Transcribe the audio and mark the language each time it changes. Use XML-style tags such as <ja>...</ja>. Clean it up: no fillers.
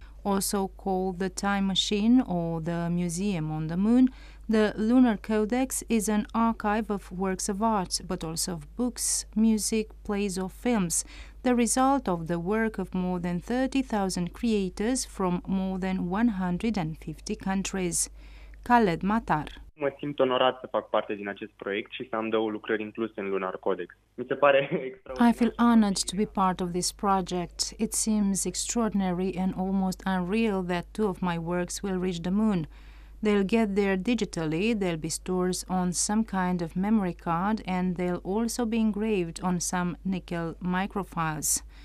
<en>Also called the Time Machine or the Museum on the Moon, the Lunar Codex is an archive of works of art, but also of books, music, plays or films, the result of the work of more than 30,000 creators from more than 150 countries. Khaled Matar.</en> <ro>Mă simt onorat să fac parte din acest proiect și să am două lucrări incluse în Lunar Codex. Mi se pare extraordinar.</ro> <en>I feel honored to be part of this project. It seems extraordinary and almost unreal that two of my works will reach the moon. They'll get there digitally, they'll be stored on some kind of memory card, and they'll also be engraved on some nickel microfiles.</en>